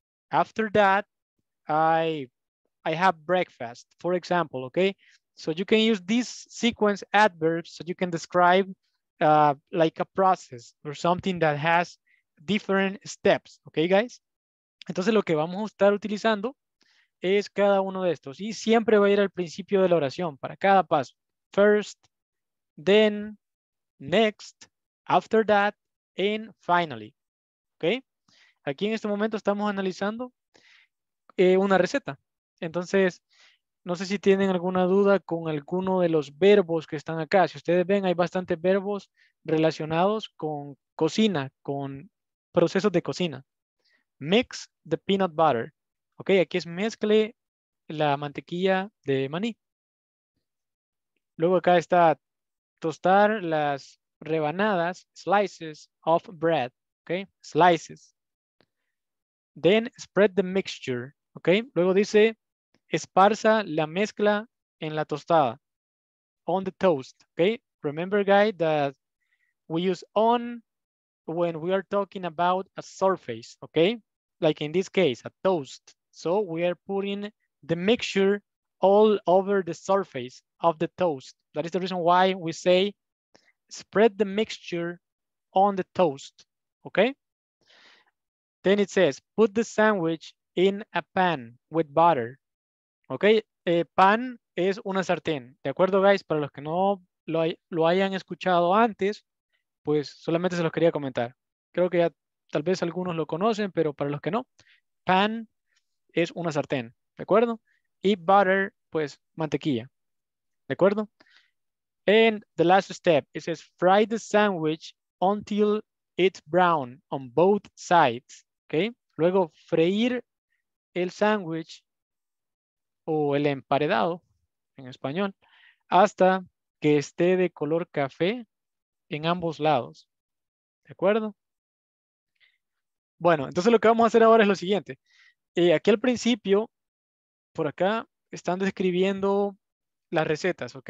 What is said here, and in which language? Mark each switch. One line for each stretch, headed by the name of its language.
English: After that, I have breakfast, for example, okay? So you can use these sequence adverbs so you can describe like a process or something that has different steps, okay guys?
Spanish: Entonces lo que vamos a estar utilizando es cada uno de estos y siempre va a ir al principio de la oración para cada paso.
English: First, then, next, after that, and finally. Okay?
Spanish: Aquí en este momento estamos analizando una receta. Entonces, no sé si tienen alguna duda con alguno de los verbos que están acá. Si ustedes ven, hay bastantes verbos relacionados con cocina, con procesos de cocina.
English: Mix the peanut butter.
Spanish: Ok, aquí es mezcle la mantequilla de maní. Luego acá está tostar las rebanadas,
English: slices of bread. Ok, slices. Then spread the mixture.
Spanish: Ok, luego dice esparza la mezcla en la tostada.
English: On the toast. Ok, remember guys that we use on when we are talking about a surface, okay? Like in this case, a toast. So we are putting the mixture all over the surface of the toast. That is the reason why we say spread the mixture on the toast, okay? Then it says, put the sandwich in a pan with butter, okay?
Spanish: Pan es una sartén, ¿de acuerdo, guys? Para los que no lo hayan escuchado antes, pues solamente se los quería comentar. Creo que ya tal vez algunos lo conocen, pero para los que no, pan es una sartén, ¿de acuerdo? Y butter, pues mantequilla, ¿de acuerdo?
English: And the last step, it says fry the sandwich until it's brown on both sides, okay?
Spanish: Luego freír el sándwich o el emparedado en español hasta que esté de color café en ambos lados, ¿de acuerdo? Bueno, entonces lo que vamos a hacer ahora es lo siguiente. Aquí al principio, por acá, están describiendo las recetas, ¿ok?